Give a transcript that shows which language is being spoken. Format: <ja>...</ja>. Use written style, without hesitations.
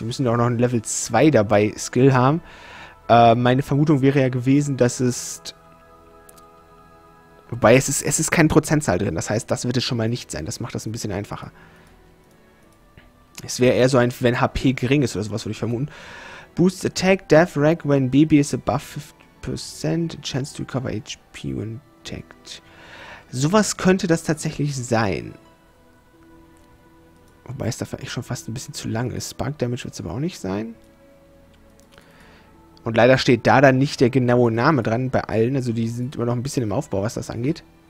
<de>Wir müssen doch noch ein Level 2 dabei Skill haben. Meine Vermutung wäre ja gewesen, dass es... Wobei es ist keine Prozentzahl drin. Das heißt, das wird es schon mal nicht sein. Das macht das ein bisschen einfacher. Es wäre eher so ein, wenn HP gering ist oder sowas, würde ich vermuten.</de> <en>Boost Attack, Death Rack, when BB is above 50%, chance to recover HP when attacked.</en> <de>Sowas könnte das tatsächlich sein. Wobei es dafür echt schon fast ein bisschen zu lang ist. Spark Damage wird es aber auch nicht sein. Und leider steht da dann nicht der genaue Name dran bei allen. Also die sind immer noch ein bisschen im Aufbau, was das angeht.</de>